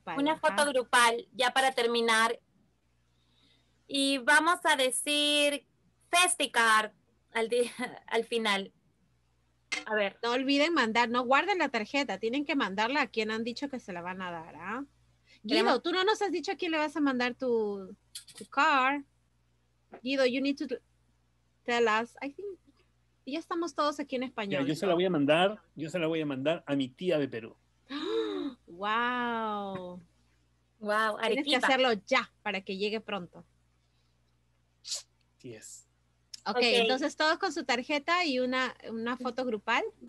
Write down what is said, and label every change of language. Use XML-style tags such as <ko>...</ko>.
<es>Una foto grupal, ya para terminar. Y vamos a decir FestiCard al final. A ver. No olviden mandar, no guarden la tarjeta, tienen que mandarla a quien han dicho que se la van a dar, ¿ah? Guido, tú no nos has dicho a quién le vas a mandar tu card.</es> <en>Guido, you need to tell us, I think.</en> <es>Ya estamos todos aquí en español. Mira, yo se la voy a mandar a mi tía de Perú. ¡Wow! ¡Wow, Arequipa! Tienes que hacerlo ya, para que llegue pronto.</es> <en>Yes.</en> <es>Okay, entonces todos con su tarjeta y una foto grupal.</es>